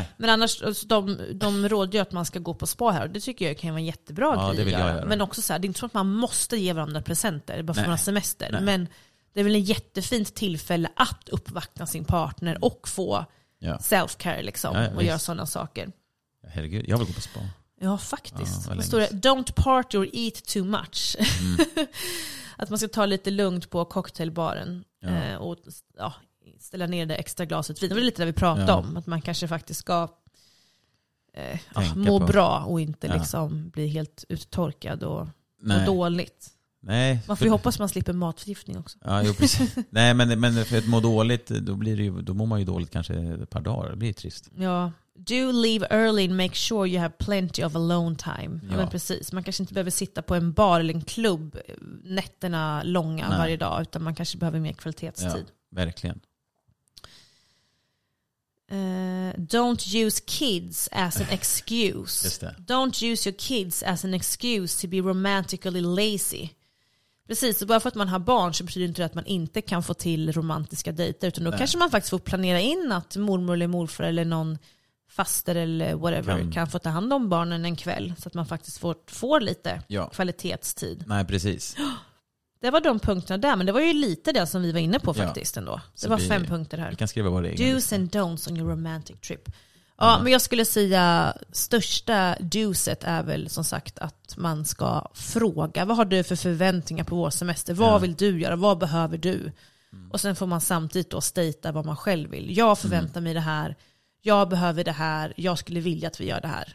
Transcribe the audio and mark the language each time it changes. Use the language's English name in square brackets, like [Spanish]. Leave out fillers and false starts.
[Swedish] Men annars de rådgör att man ska gå på spa här. Det tycker jag kan vara en jättebra grej. Men också så här, det är inte så att man måste ge varandra presenter bara för några semester, men det är väl en jättefint tillfälle att uppvakta sin partner och få self care liksom och göra sådana saker. Herregud, jag vill gå på spa. Ja, faktiskt. Ja, står det, [English] don't party or eat too much. [Swedish] Mm. Att man ska ta lite lugnt på cocktailbaren och ställa ner det extra glaset vin. Det var lite där vi pratade om. Att man kanske faktiskt ska må bra och inte liksom bli helt uttorkad och må dåligt. Nej. Man får ju hoppas att man slipper matförgiftning också. Ja, jo, precis. Nej, men för att må dåligt, då mår man ju dåligt kanske ett par dagar. Det blir ju trist. Ja. [English] Do leave early and make sure you have plenty of alone time. [Swedish] Ja. Men precis. Man kanske inte behöver sitta på en bar eller en klubb nätterna långa varje dag, utan man kanske behöver mer kvalitetstid. Ja, verkligen. [English] Don't use kids as an excuse. [Swedish] Just det. [English] Don't use your kids as an excuse to be romantically lazy. [Swedish] Precis, så bara för att man har barn så betyder det inte att man inte kan få till romantiska dejter, utan då kanske man faktiskt får planera in att mormor eller morfar eller någon faster eller whatever kan få ta hand om barnen en kväll så att man faktiskt får lite kvalitetstid. Nej, precis. Det var de punkterna där, men det var ju lite det som vi var inne på faktiskt ändå. Det så var fem punkter här. Vi kan skriva vad det är. [English] Do's and don'ts on your romantic trip. [Swedish] Ja, men jag skulle säga största do'set är väl som sagt att man ska fråga, vad har du för förväntningar på vår semester? Vad vill du göra? Vad behöver du? Mm. Och sen får man samtidigt då stata vad man själv vill. Jag förväntar mig det här. Jag behöver det här. Jag skulle vilja att vi gör det här.